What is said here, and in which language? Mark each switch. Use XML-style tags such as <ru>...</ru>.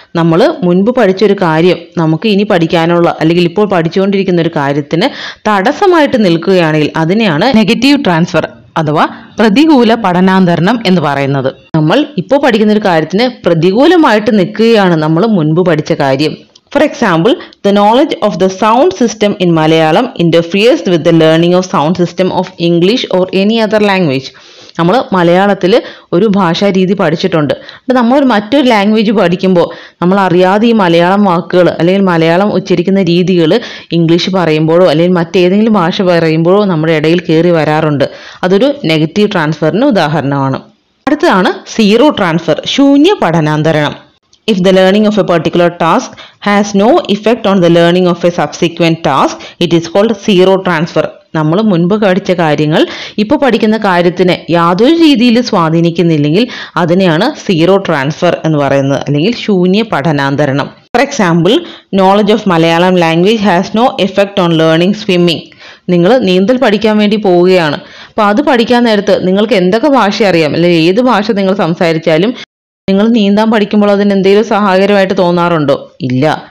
<ml>നമ്മൾ മുൻപ് പഠിച്ചൊരു കാര്യം നമുക്ക് ഇനി പഠിക്കാനുള്ള അല്ലെങ്കിൽ ഇപ്പോൾ പഠിച്ചുകൊണ്ടിരിക്കുന്ന ഒരു കാര്യത്തിന് തടസ്സമായിട്ട് നിൽക്കുകയാണെങ്കിൽ അതിനെയാണ് നെഗറ്റീവ് ട്രാൻസ്ഫർ അഥവാ പ്രതികൂല പഠനാന്തരണം എന്ന് പറയുന്നത്. നമ്മൾ ഇപ്പോൾ പഠിക്കുന്ന ഒരു കാര്യത്തിന് പ്രതികൂലമായിട്ട് നിൽക്കുകയാണ് നമ്മൾ മുൻപ് പഠിച്ച കാര്യം.</ml> <en>For example, the knowledge of the sound system in Malayalam interferes with the learning of sound system of English or any other language.</en> <ml>നമ്മൾ മലയാളത്തിൽ ഒരു ഭാഷാ രീതി പഠിച്ചിട്ടുണ്ട്. അപ്പോൾ നമ്മൾ മറ്റൊരു ലാംഗ്വേജ് പഠിക്കുമ്പോൾ നമ്മൾ അറിയാതെ ഈ മലയാളം വാക്കുകൾ അല്ലെങ്കിൽ മലയാളം ഉച്ചരിക്കുന്ന രീതികൾ ഇംഗ്ലീഷ് പറയുമ്പോഴോ അല്ലെങ്കിൽ മറ്റേതെങ്കിലും ഭാഷ പറയുമ്പോഴോ നമ്മുടെ ഇടയിൽ കയറി വരാറുണ്ട്. അതൊരു നെഗറ്റീവ് ട്രാൻസ്ഫറിന് ഉദാഹരണമാണ്. അടുത്തതാണ് zero transfer, ശൂന്യ പഠനാന്തരണം.</ml> <en>If the learning of a particular task has no effect on the learning of a subsequent task, it is called zero transfer.</en> <ml>നമ്മൾ മുൻപ് പഠിച്ച കാര്യങ്ങൾ ഇപ്പോൾ പഠിക്കുന്ന കാര്യത്തിനെ യാതൊരു രീതിയിൽ സ്വാധീനിക്കുന്നില്ലെങ്കിൽ അതിനെയാണ് സീറോ ട്രാൻസ്ഫർ എന്ന് പറയുന്നത് അല്ലെങ്കിൽ ശൂന്യ പഠനാന്തരണം.</ml> <en>For example, knowledge of Malayalam language has no effect on learning swimming.</en> <ml>നിങ്ങൾ നീന്തൽ പഠിക്കാൻ വേണ്ടി പോവുകയാണ്. അപ്പോൾ അത് പഠിക്കാൻ നേരത്ത് നിങ്ങൾക്ക് എന്തൊക്കെ ഭാഷ അറിയാം അല്ലെങ്കിൽ ഏത് ഭാഷ നിങ്ങൾ സംസാരിച്ചാലും നിങ്ങൾ നീന്താൻ പഠിക്കുമ്പോൾ അതിന് എന്തെങ്കിലും സഹായകരമായിട്ട് തോന്നാറുണ്ടോ? ഇല്ല.</ml>